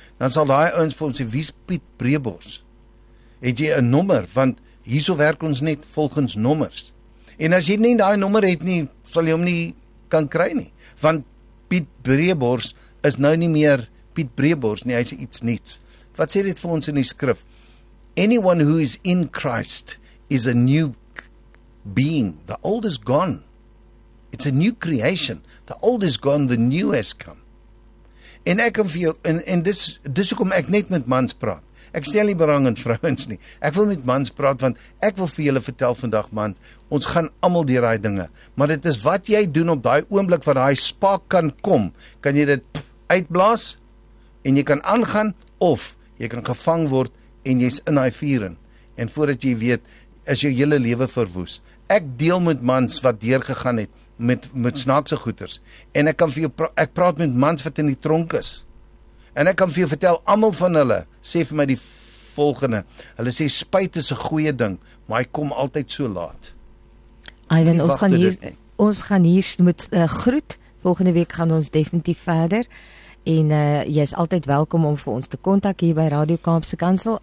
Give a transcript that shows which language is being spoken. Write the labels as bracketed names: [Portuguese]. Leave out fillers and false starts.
[Afrikaans] Dan sal daai ouens vir hom sê, "Wie's Piet Breebors? Het jy 'n nommer?" Want hierso werk ons net volgens nommers. En as jy nie daai nommer het nie, sal jy hom nie kan kry nie. Want Piet Breebors is nou nie meer Piet Breebors nie, hy is iets nuuts. Wat sê dit vir ons in die skrif? [English] Anyone who is in Christ is a new being. The old is gone. It's a new creation. The old is gone, the new has come. [Afrikaans] En ek kan vir jou, en dis hoekom ek net met mans praat. Ek stel nie belang in vrouens nie. Ek wil met mans praat, want ek wil vir julle vertel vandag, man, ons gaan allemaal die raai dinge. Maar dit is wat jy doen op die oomblik waar die spaak kan kom. Kan jy dit uitblaas en jy kan aangaan of jy kan gevang word en jy is in die viering. En voordat jy weet, is jou hele lewe verwoes. Ek deel met mans wat deurgegaan het met snaakse goeders. En ek kan vir jou ek praat met mans wat in die tronk is. En ek kan vir jou vertel, allemaal van hulle, sê vir my die volgende, hulle sê, spyt is 'n goeie ding, maar hy kom altyd so laat. Ivan, ons gaan hier moet groet, volgende week gaan ons definitief verder, en jy is altyd welkom om vir ons te kontak hier by Radio Kaapse Kansel.